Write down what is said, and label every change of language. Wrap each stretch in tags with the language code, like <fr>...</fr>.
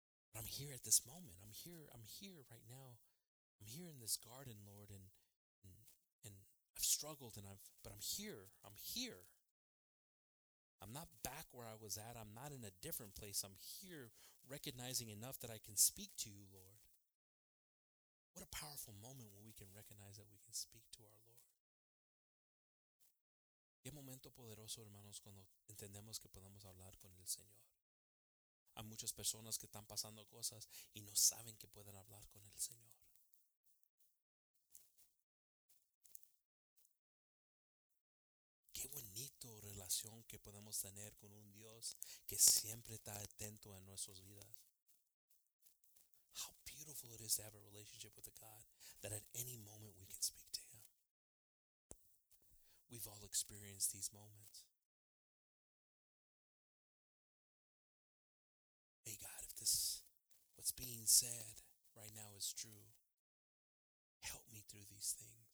<en>But I'm here at this moment. I'm here right now. I'm here in this garden, Lord, and I've struggled, but I'm here. I'm here. I'm not back where I was at. I'm not in a different place. I'm here recognizing enough that I can speak to you, Lord. What a powerful moment when we can recognize that we can speak to our Lord.</en> <es>Qué momento poderoso, hermanos, cuando entendemos que podemos hablar con el Señor. Hay muchas personas que están pasando cosas y no saben que pueden hablar con el Señor. Qué bonito relación que podemos tener con un Dios que siempre está atento a nuestras vidas.</es> <en>How beautiful it is to have a relationship with a God that at any moment we can speak to Him. We've all experienced these moments. Hey God, if this, what's being said right now is true, help me through these things.</en>